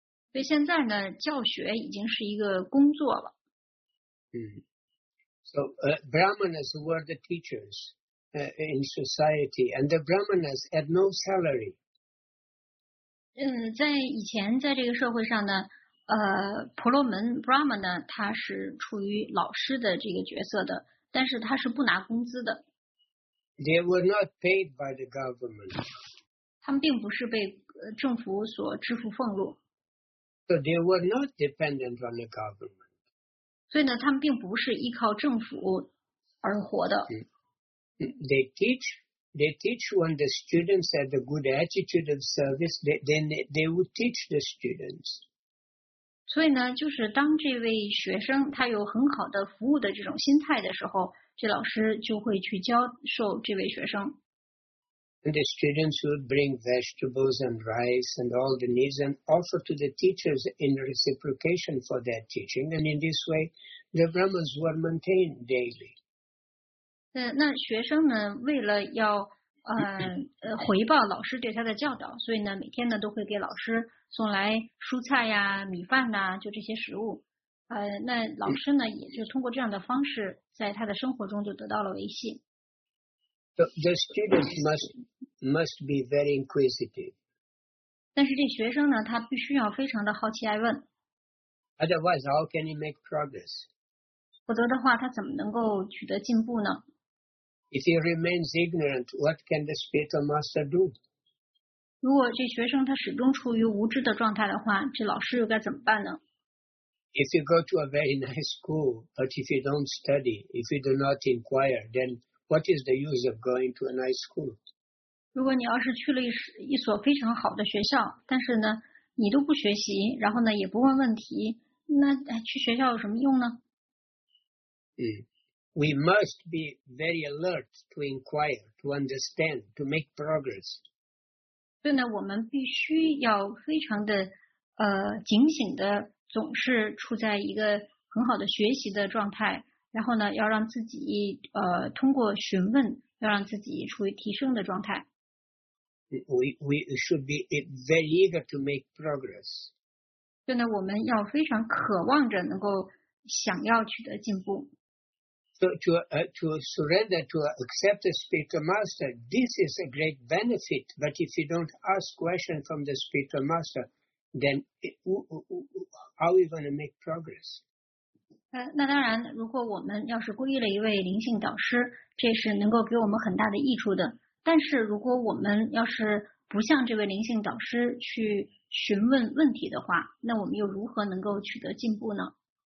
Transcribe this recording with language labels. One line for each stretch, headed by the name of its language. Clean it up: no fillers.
Chinese: 所以现在呢，教学已经是一个工作了。
English: So brahmanas were the teachers in society, and the brahmanas had no salary.
Chinese: 在以前，在这个社会上呢，婆罗门 brahman 呢，他是处于老师的这个角色的，但是他是不拿工资的。
English: They were not paid by the government.
Chinese: 他们并不是被政府所支付俸禄。
English: So they were not dependent on the government.
Chinese: 所以呢，他们并不是依靠政府而活的。
English: They teach when the students had a good attitude of service. They would teach the students.
Chinese: 所以呢，就是当这位学生他有很好的服务的这种心态的时候，这老师就会去教授这位学生。
English: And the students would bring vegetables and rice and all the needs and offer to the teachers in reciprocation for their teaching. And in this way, the Brahmins were maintained daily.
Chinese: 那学生呢，为了要回报老师对他的教导，所以呢，每天呢都会给老师送来蔬菜呀、米饭呐，就这些食物。那老师呢，也就通过这样的方式，在他的生活中就得到了维系。
English: The students must be very inquisitive.
Chinese: 但是这学生呢，他必须要非常的好奇爱问。
English: Otherwise, how can he make progress?
Chinese: 否则的话，他怎么能够取得进步呢？
English: If he remains ignorant, what can the spiritual master do?
Chinese: 如果这学生他始终处于无知的状态的话，这老师又该怎么办呢？
English: If you go to a very nice school, but if you don't study, if you do not inquire, then what is the use of going to a nice school?
Chinese: 如果你要是去了一所非常好的学校，但是呢，你都不学习，然后呢，也不问问题，那去学校有什么用呢？
English: We must be very alert to inquire, to understand, to make progress.
Chinese: 所以呢，我们必须要非常的警醒的。总是处在一个很好的学习的状态，然后呢，要让自己通过询问，要让自己处于提升的状态。
English: We should be very eager to make progress.
Chinese: 所以呢，我们要非常渴望着能够想要取得进步。
English: To surrender to accept the spiritual master, this is a great benefit. But if you don't ask questions from the spiritual master,Then how are we going to make progress?
Chinese: 那当然，如果我们要是皈依了一位灵性导师，这是能够给我们很大的益处的。但是如果我们要是不向这位灵性导师去询问问题的话，那我们又如何能够取得进步呢？